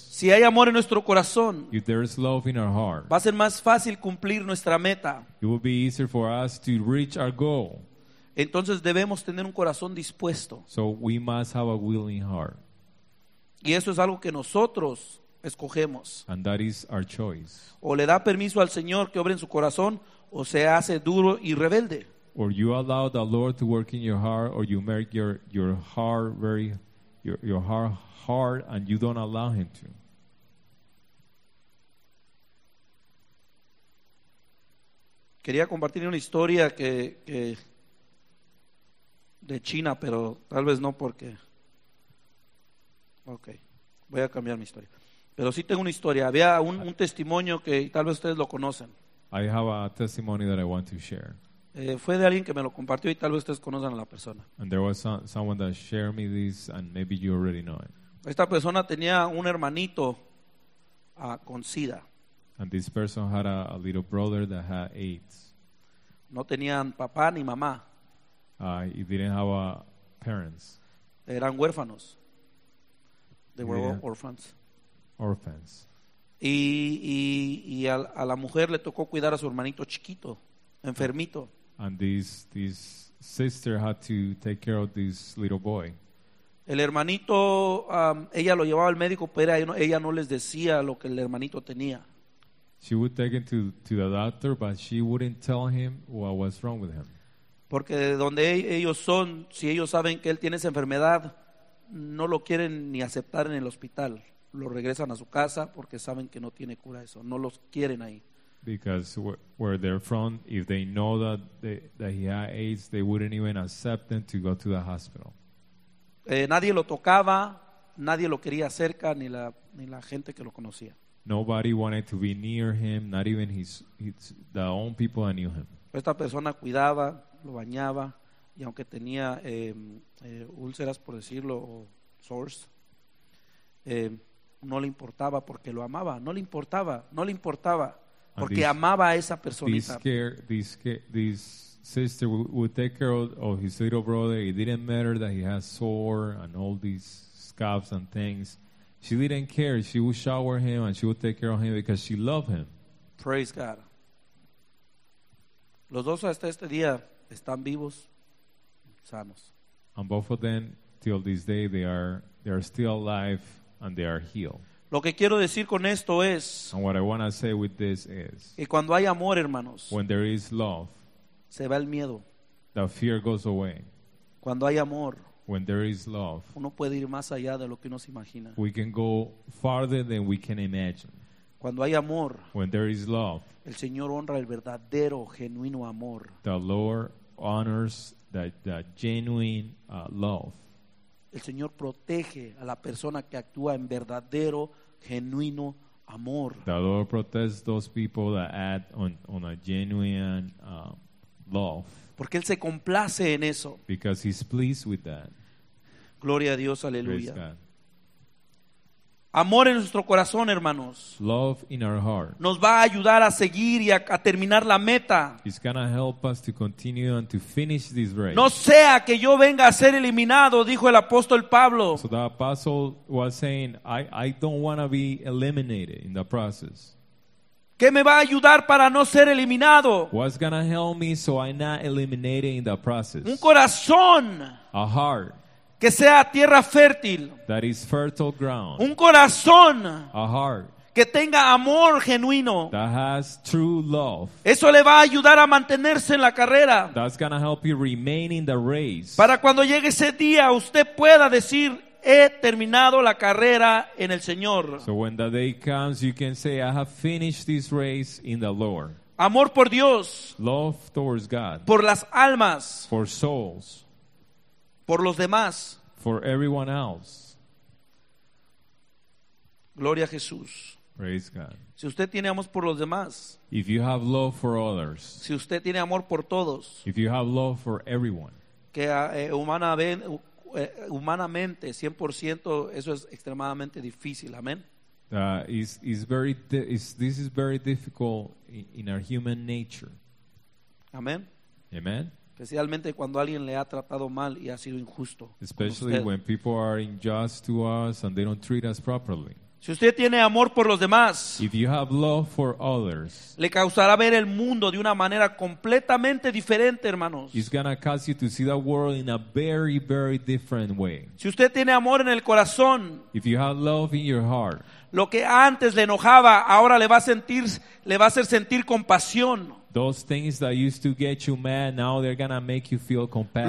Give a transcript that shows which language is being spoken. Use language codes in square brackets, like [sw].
[es] Si hay amor en nuestro corazón, [en] if there is love in our heart, [es] va a ser más fácil cumplir nuestra meta. [en] It will be easier for us to reach our goal. [es] Entonces debemos tener un corazón dispuesto. [en] So we must have a willing heart. [es] Y eso es algo que nosotros escogemos. [en] And that is our choice. [es] O le da permiso al Señor que obre en su corazón, o se hace duro y rebelde. [en] Or you allow the Lord to work in your heart, or you make your heart very your heart hard, and you don't allow Him to. [es] Quería compartir una historia que de China, pero tal vez no porque. Okay, voy a cambiar mi historia. Pero sí tengo una historia. Había un testimonio que tal vez ustedes lo conocen. [en] I have a testimony that I want to share. [es] Fue de alguien que me lo compartió y tal vez ustedes conozcan a la persona. [en] And there was someone that shared me this and maybe you already know it. [es] Esta persona tenía un hermanito con SIDA. [en] And this person had a little brother that had AIDS. [es] No tenían papá ni mamá. [en] He didn't have parents. [es] Eran huérfanos. [en] They were orphans. Orphans. [es] Y a la mujer le tocó cuidar a su hermanito chiquito, enfermito. [en] And this sister had to take care of this little boy. [es] El hermanito, ella lo llevaba al médico, pero ella no les decía lo que el hermanito tenía. [en] She would take him to the doctor, but she wouldn't tell him what was wrong with him. [es] Porque de donde ellos son, si ellos saben que él tiene esa enfermedad, no lo quieren ni aceptar en el hospital. Lo regresan a su casa porque saben que no tiene cura eso. No los quieren ahí. [en] Because where they're from, if they know that he had AIDS, they wouldn't even accept them to go to the hospital. [es] Nadie lo tocaba, nadie lo quería cerca, ni la gente que lo conocía. [en] Nobody wanted to be near him, not even his the own people that knew him. [es] Esta persona cuidaba, lo bañaba, y aunque tenía úlceras, por decirlo, o sores, no le importaba porque lo amaba, no le importaba porque [en] this, [es] amaba a esa personita. [en] This sister would take care of his little brother. It didn't matter that he has sore and all these scabs and things. She didn't care. She would shower him and she would take care of him because she loved him. Praise God. [es] Los dos hasta este día están vivos, sanos. [en] And both of them, till this day, they are still alive. And they are healed. [es] Lo que quiero decir con esto es, [en] and what I want to say with this is, [es] que cuando hay amor, hermanos, [en] when there is love, [es] se va el miedo. [en] The fear goes away. [es] Cuando hay amor, [en] when there is love, [es] uno puede ir más allá de lo que uno se imagina. [en] We can go farther than we can imagine. [es] Cuando hay amor, [en] when there is love, [es] el Señor honra el verdadero, genuino amor. [en] The Lord honors the genuine love. [es] El Señor protege a la persona que actúa en verdadero, genuino amor. [en] The Lord protects those people that act on a genuine love. [es] Porque Él se complace en eso. [en] Because He's pleased with that. [es] Gloria a Dios, aleluya. Amor en nuestro corazón, hermanos. [en] Love in our heart. [es] Nos va a ayudar a seguir y a terminar la meta. [en] It's going to help us to continue and to finish this race. [es] No sea que yo venga a ser eliminado, dijo el apóstol Pablo. [en] So the apostle was saying, I don't want to be eliminated in the process. [es] ¿Qué me va a ayudar para no ser eliminado? [en] What's gonna help me so I'm not eliminated in the process? [es] Un corazón. [en] A heart. [es] Que sea tierra fértil. [en] That is fertile ground. [es] Un corazón. [en] A heart. [es] Que tenga amor genuino. [en] That has true love. [es] Eso le va a ayudar a mantenerse en la carrera. [en] That's gonna help you remain in the race. [es] Para cuando llegue ese día, usted pueda decir, he terminado la carrera en el Señor. [en] So when the day comes, you can say, I have finished this race in the Lord. [es] Amor por Dios. [en] Love towards God. [es] Por las almas. [en] For souls. [es] Por los demás. [en] For everyone else. [es] Gloria a Jesús. [en] Praise God. [es] Si usted tiene amor por los demás. [en] If you have love for others. [es] Si usted tiene amor por todos. [en] If you have love for everyone. [es] Que humanamente 100% eso es extremadamente difícil. Amén. [en] This is very difficult in our human nature. [es] Amén. [en] Amen. [es] Especialmente cuando alguien le ha tratado mal y ha sido injusto. [en] Especially when people are unjust to us and they don't treat us properly. [es] Si usted tiene amor por los demás, [en] if you have love for others, [es] le causará ver el mundo de una manera completamente diferente, hermanos. [en] It's gonna cause you to see the world in a very, very different way. [es] Si usted tiene amor en el corazón, [en] if you have love in your heart, [es] lo que antes le enojaba, ahora le va a hacer sentir compasión. [en] Those things that used to get you mad, now they're gonna make you feel compassion.